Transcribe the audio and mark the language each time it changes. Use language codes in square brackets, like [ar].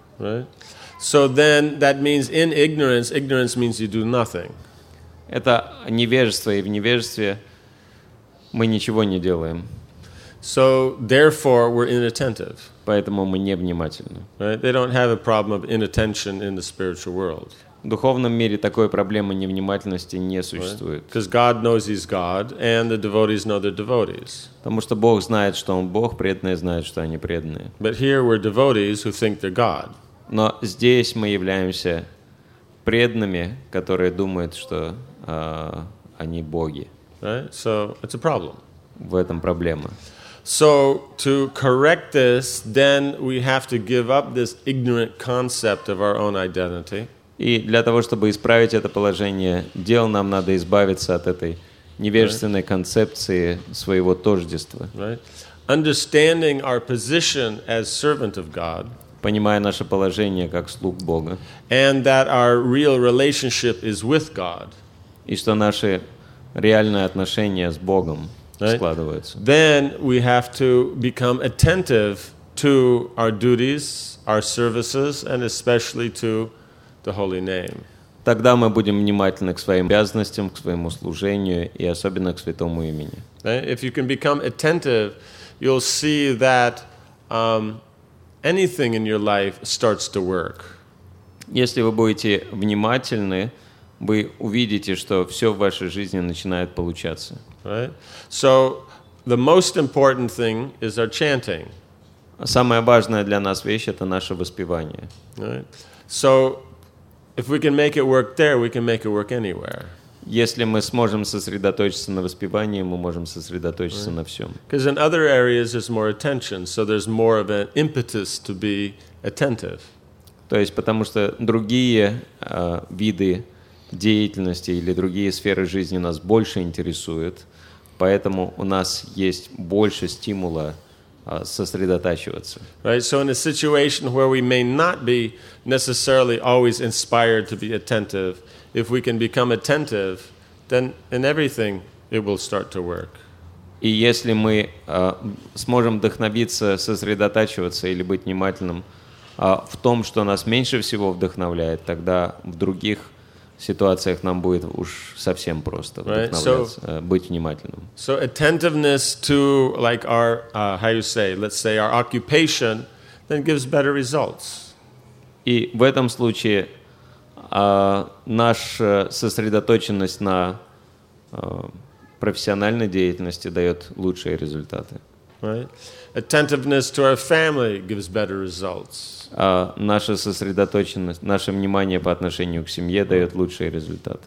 [en] Right. So then that means in ignorance, ignorance means you do nothing. [ru] Это невежество, и в невежестве мы ничего не делаем. [en] So therefore we're inattentive. [ru] Поэтому мы не внимательны. [en] Right? They don't have a problem of inattention in the spiritual world. [ru] В духовном мире такой проблемы невнимательности не существует. [en] Because God knows he's God and the devotees know they're devotees. [ru] Потому что Бог знает, что он Бог, преданные знают, что они преданные. [en] But here we're devotees who think they're God. [ru] Но здесь мы являемся преданными, которые думают, что они боги. [en] Right? So it's a problem. [ru] В этом проблема. [en] So to correct this, then we have to give up this ignorant concept of our own identity. [ru] И для того, чтобы исправить это положение дел, нам надо избавиться от этой невежественной [en] right. [ru] концепции своего тождества. [en] Right. Understanding our position as servant of God. [ru] Понимая наше положение как слуг Бога. [en] And that our real relationship is with God. [ru] И что наши реальные отношения с Богом. [en] Right? Then we have to become attentive to our duties, our services, and especially to the holy name. [ru] Тогда мы будем внимательны к своим обязанностям, к своему служению и особенно к святому имени. [en] If you can become attentive, you'll see that anything in your life starts to work. [ru] Если вы будете внимательны, вы увидите, что все в вашей жизни начинает получаться. [en] Right. So the most important thing is our chanting. [ru] Самая важная для нас вещь это наше воспевание. [en] Right. So if we can make it work there, we can make it work anywhere. [ru] Если мы сможем сосредоточиться на воспевании, мы можем сосредоточиться на всем. [en] Because in other areas there's more attention, so there's more of an impetus to be attentive. [ru] То есть потому что другие виды деятельности или другие сферы жизни нас больше интересуют, поэтому у нас есть больше стимула сосредотачиваться. [en] Right, so in a situation where we may not be necessarily always inspired to be attentive, if we can become attentive, then in everything it will start to work. [ru] И если мы сможем вдохновиться, сосредотачиваться или быть внимательным в том, что нас меньше всего вдохновляет, тогда в других ситуациях нам будет уж совсем просто вдохновляться, [en] right? So, [ru] быть внимательным. [en] So attentiveness to like our how you say, let's say our occupation, then gives better results. [ru] И в этом случае наша сосредоточенность на профессиональной деятельности дает лучшие результаты. [en] Right. Attentiveness to our family gives better results. [ru] Наша сосредоточенность, наше внимание по отношению к семье дает лучшие результаты.